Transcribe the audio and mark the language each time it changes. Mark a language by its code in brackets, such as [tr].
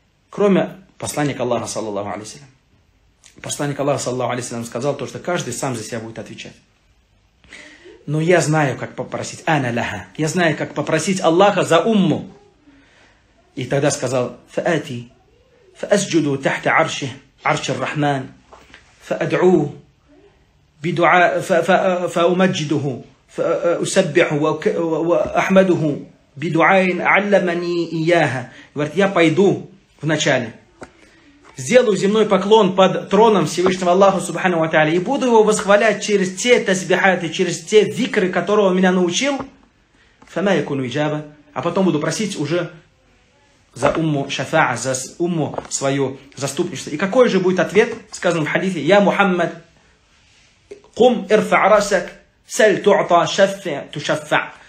[ru] Кроме посланника Аллаха, саллаллаху алейхи салям. Посланник Аллаха, саллаллаху алейхи салям, сказал то, что каждый сам за себя будет отвечать. Но я знаю, как попросить, «Ана лаха», я знаю, как попросить Аллаха за умму. И тогда сказал, «Фаати, фаасджуду тахта арши, арши ар-рахман». [ar] فأدعو بدعاء فأمجده فأسبحه وأحمده بدعاء علمني إياها. [ru] Говорит, я пойду вначале, сделаю земной поклон под троном Всевышнего Аллаха Субхану ва Тааля и буду его восхвалять через те тасбихаты, через те викры, которого меня научил. [ar] فما يكون إجابة. [ru] А потом буду просить уже за умму шафа'а, за умму свое заступничество. И какой же будет ответ, сказано в хадисе, «Я Мухаммад, кум ирфа' расак, саль ту'та шафа'а ту шафа'а».